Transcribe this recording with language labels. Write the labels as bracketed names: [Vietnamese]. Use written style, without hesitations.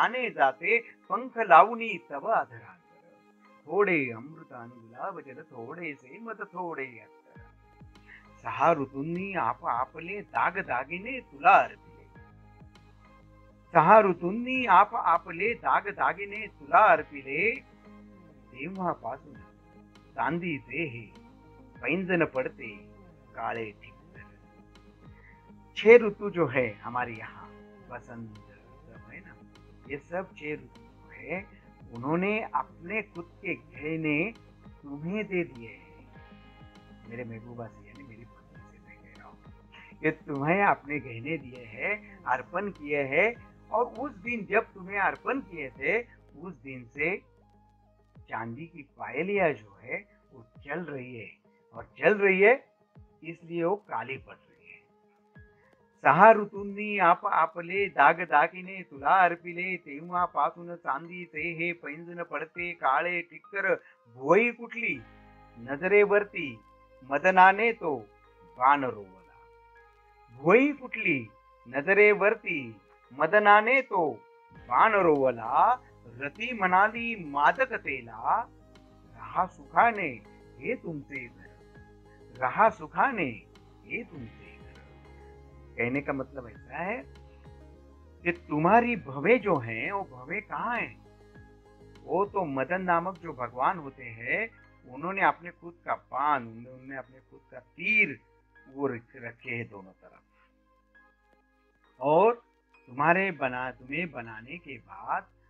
[Marathi] जाते पंख लावणी तव अधरांगर, थोडे अमृत अन गुलाब जल, थोडे से मत थोडे अत्तर, सहा ऋतूंनी आप आपले दाग दागिने तुला अर्पण, सहा ऋतूंनी आप आपले दाग दागिने तुला अर्पिले, तेव्हापासून चांदी देहे पैंजन पडते काळे ठिकर। [Hindi] छह ऋतु जो है हमारे यहाँ, बसंत है ना, ये सब छह ऋतु है, उन्होंने अपने खुद के गहने तुम्हें दे दिए हैं, मेरे महबूबा से यानी मेरी पत्नी से मैं कह रहा हूँ, ये तुम्हें अपने गहने दिए हैं, अर्पण किए हैं, और उस दिन जब तुम्हें अर्पण किए थे उस दिन से चांदी की पायलिया जो है वो चल रही है, और चल रही है इसलिए वो काली पड़ रही है। [Marathi] सहा ऋतूंनी आप आपले दाग दागिने तुला अर्पिले, तेव्हा पासून चांदी ते हे पैंजण पडते काळे ठिक्कर, भोई कुठली नजरेवरती मदनाने तो बाण रोवला, भोई कुठली नजरेवरती मदनाने तो बाण रोवला, रती म्हणाली मादक तेला रहा सुखाने हे तुमचे घर, रहा सुखाने हे तुमचे घर। [Hindi] कहने का मतलब ऐसा है कि तुम्हारी भवे जो हैं वो भवे कहाँ हैं, वो तो मदन नामक जो भगवान होते हैं उन्होंने अपने खुद का बाण, उन्होंने अपने खुद का तीर वो रखे हैं दोनों तरफ, और तुम्हारे बना तुम्हें बनाने के बाद